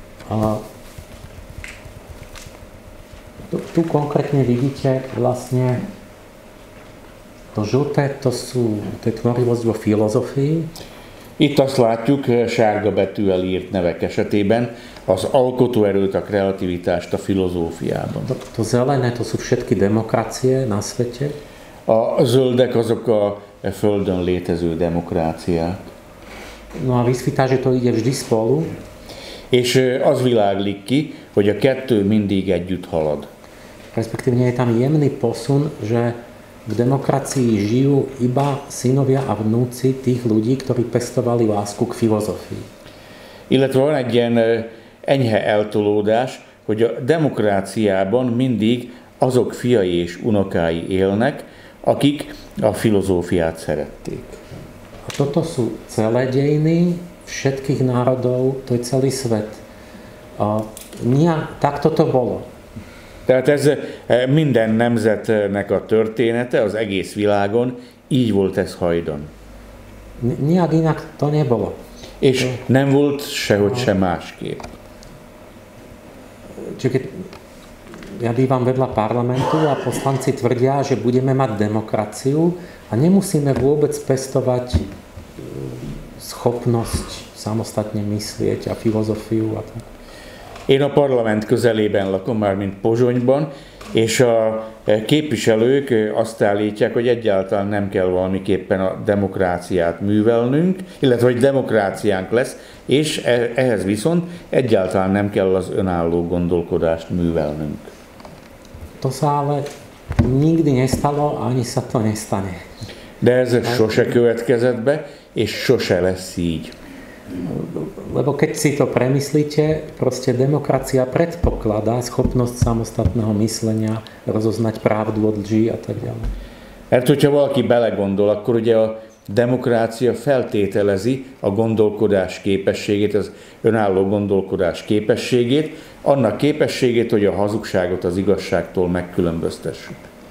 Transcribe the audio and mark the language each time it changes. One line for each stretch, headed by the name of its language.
Slovak: A tu konkrétne vidíte vlastne to žlté, to je tvorivosť vo filozofii.
Hungarian: Itt azt látjuk sárga betűvel írt nevek esetében, az alkotóerőt, a kreativitást a filozófiában.
Slovak: To zelené, to sú všetky demokracie na svete.
Hungarian: A zöldek azok a földön létező demokráciák.
Slovak: No a vízfitázsa to ide vždy spolu.
Hungarian: És az világlik ki, hogy a kettő mindig együtt halad.
Slovak: Respektívne je tam jemný posun, že v demokracii žijú iba synovia a vnúci tých ľudí, ktorí pestovali lásku k filozofii.
Hungarian: Illetve van egy ilyen enyhe eltolódás, hogy a demokráciában mindig azok fiai és unokái élnek, akik a filozófiát szerették.
Slovak: A toto sú celé dejiny všetkých národov, to je celý svet. A nie, tak toto bolo.
Hungarian: Tehát ez minden nemzetnek a története, az egész világon, így volt ez hajdan.
Slovak: Nijak inak to nebolo.
Hungarian: És nem volt sehogy sem másképp.
Slovak: Csak ja bývam vedľa parlamentu a poslanci tvrdia, že budeme mať demokraciu a nemusíme vôbec pestovať schopnosť samostatne myslieť a filozofiu a tak.
Hungarian: Én a parlament közelében lakom, már mint Pozsonyban, és a képviselők azt állítják, hogy egyáltalán nem kell valamiképpen a demokráciát művelnünk, illetve hogy demokráciánk lesz, és ehhez viszont egyáltalán nem kell az önálló gondolkodást művelnünk.
Slovak: To sa ale nikdy nestalo, ani sa to nestane.
Hungarian: De ez sose következett be, és sose lesz így.
Slovak: Lebo keď si to premyslíte, proste demokracia predpokladá schopnosť samostatného myslenia, rozoznať pravdu od lží a tak ďalej.
Hungarian: Mert hogyha valaki belegondol, akkor ugye a demokrácia feltételezi a gondolkodás képességét, az önálló gondolkodás képességét, annak képességét, hogy a hazugságot az igazságtól megkülönböztessük.